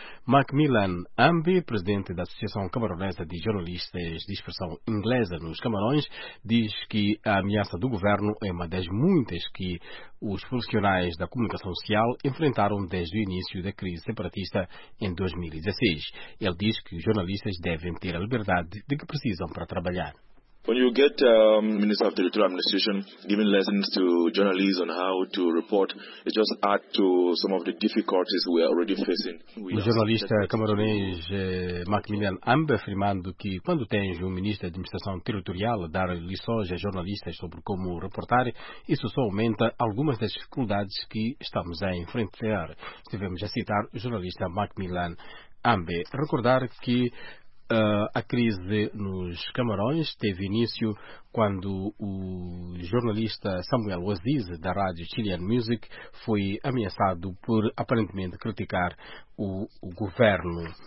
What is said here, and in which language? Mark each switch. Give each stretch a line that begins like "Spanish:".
Portuguese: Macmillan Ambi, presidente da Associação Camaronesa de Jornalistas de Expressão Inglesa nos Camarões, diz que a ameaça do governo é uma das muitas que os profissionais da comunicação social enfrentaram desde o início da crise separatista em 2016. Ele diz que os jornalistas devem ter a liberdade de que precisam para trabalhar.
English: When you get Minister of Territorial Administration giving lessons to journalists on how to report, it just adds to some of the difficulties we are already facing.
Portuguese: O jornalista camaronês Macmillan Ambe afirmando que quando tens um ministro de administração territorial a dar lições a jornalistas sobre como reportar, isso só aumenta algumas das dificuldades que estamos a enfrentar. Devemos a citar o jornalista Macmillan Ambe. Recordar que a crise nos Camarões teve início quando o jornalista Samuel Aziz, da rádio Chilean Music, foi ameaçado por aparentemente criticar o governo.